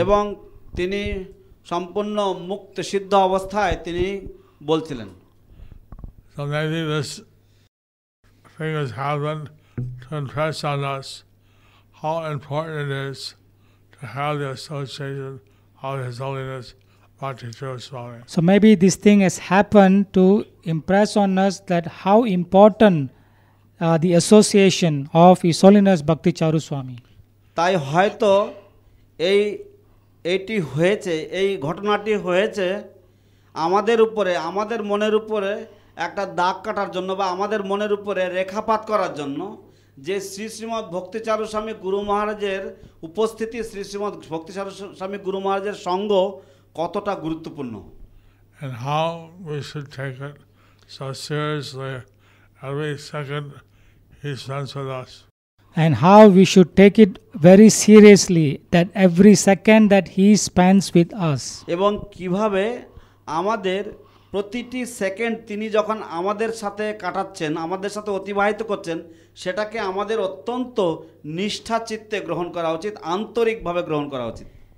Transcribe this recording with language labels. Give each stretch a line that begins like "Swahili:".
Bangla: এবং তিনি সম্পূর্ণ মুক্ত সিদ্ধ অবস্থায় তিনি বলছিলেন.
English: So maybe this thing has happened to impress on us how important it is to have the association of His Holiness Bhakti Charu Swami. So maybe this thing has happened to impress on us that how important the association of His Holiness Bhakti Charu Swami.
Bangla: তাই হয়তো এই এটি হয়েছে এই ঘটনাটি হয়েছে আমাদের উপরে আমাদের মনের উপরে একটা দাগ কাটার জন্য বা আমাদের মনের উপরে রেখাপাত করার জন্য যে শ্রী শ্রীমৎ ভক্তিচারু স্বামী গুরু মহারাজের উপস্থিতি শ্রী শ্রীমৎ ভক্তিচারু স্বামী গুরু মহারাজের সঙ্গ কতটা গুরুত্বপূর্ণ.
English: And how we should take it so seriously every second he spends with us. And how we should take it very seriously that every second that he spends with us.
Bangla: এবং কিভাবে আমাদের প্রতিটি সেকেন্ড তিনি যখন আমাদের সাথে কাটাচ্ছেন আমাদের সাথে অতিবাহিত করছেন সেটাকে আমাদের অত্যন্ত নিষ্ঠা চিত্তে গ্রহণ করা উচিত আন্তরিকভাবে গ্রহণ করা উচিত.